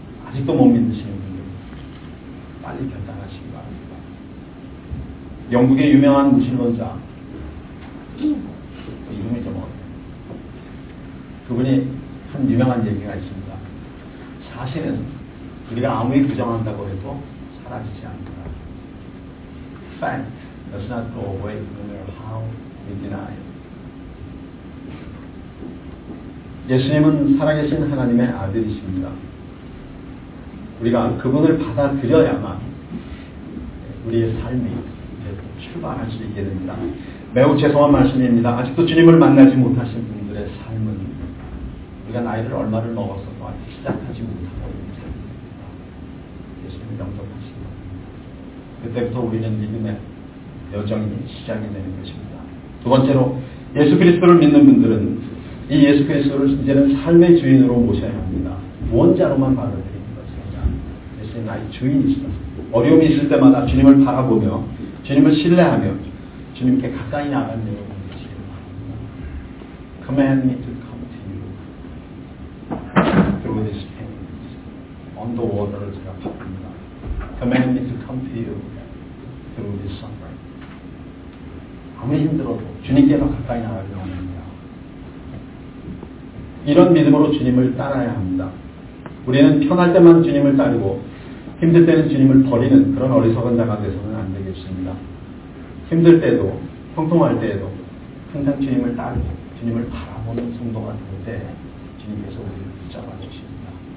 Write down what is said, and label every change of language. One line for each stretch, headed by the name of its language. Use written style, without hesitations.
Korean: 아직도 못 믿으시는 분들, 빨리 결단하시기 바랍니다. 영국의 유명한 무신론자, 이름이 좀 어려워요. 그분이 한 유명한 얘기가 있습니다. 사실은 우리가 아무리 규정한다고 해도 사라지지 않는다.
English: Fact does not go away no matter how we deny it.
Korean: 예수님은 살아계신 하나님의 아들이십니다. 우리가 그분을 받아들여야만 우리의 삶이 출발할 수 있게 됩니다. 매우 죄송한 말씀입니다. 아직도 주님을 만나지 못하신 분들의 삶은 우리가 나이를 얼마를 먹었어도 아직 시작하지 못하고 있는 삶입니다. 예수님을 영접하신 그때부터 우리는 믿음의 여정이 시작이 되는 것입니다. 두 번째로 예수 그리스도를 믿는 분들은 이 예수 그리스도를 이제는 삶의 주인으로 모셔야 합니다. 구원자로만 받아들이는 것이 아니라 예수님 나의 주인이시다. 어려움이 있을 때마다 주님을 바라보며 주님을 신뢰하며 주님께 가까이 나가는 여러분이 되시길 바랍니다.
English: Command me to come to you through this pain. On the water를
Korean: 제가 바꿉니다.
English: Command me to come to you through this suffering.
Korean: 아무리 힘들어도 주님께로 가까이 나가길 원합니다. 이런 믿음으로 주님을 따라야 합니다. 우리는 편할 때만 주님을 따르고 힘들 때는 주님을 버리는 그런 어리석은 자가 돼서는 안 되겠습니다. 힘들 때도, 형통할 때에도 항상 주님을 따르고 주님을 바라보는 성도가 될 때 주님께서 우리를 붙잡아 주십니다.